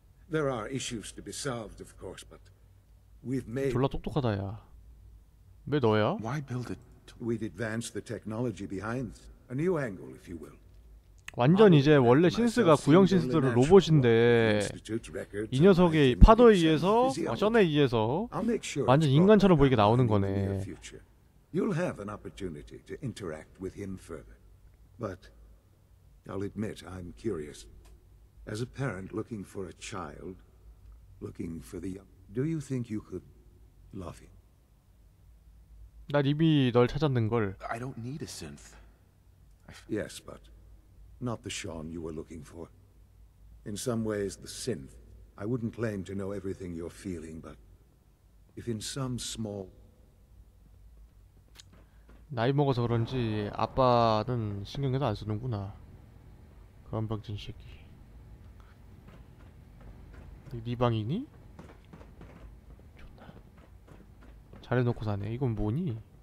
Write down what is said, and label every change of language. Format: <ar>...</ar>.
<en>There are issues to be solved, of course, but we've made.</en> <ko>졸라 똑똑하다 야. 왜 너야?</ko> <en>Why build it? We'd advance the technology behind a new angle, if you will.</en> <ko>완전 이제 원래 신스가 구형 신스들은 로봇인데 이 녀석의 파도에 의해서 션에 의해서 완전 인간처럼 보이게 나오는 거네.</ko> <en>You'll have an opportunity to interact with him further. But I'll admit I'm curious. As a parent looking for a child, looking for the young, do you think you could love him?</en> <ko>난 이미 널 찾았는 걸.</ko> <en>I don't need a synth. Yes, but not the Sean you were looking for. In some ways, the synth. I wouldn't claim to know everything you're feeling, but if in some small</en> <ko>나이 먹어서 그런지 아빠는 신경에도 안 쓰는구나. 그런 방진 새끼. 네 방이니? 존나 잘해놓고 사네. 이건 뭐니?</ko>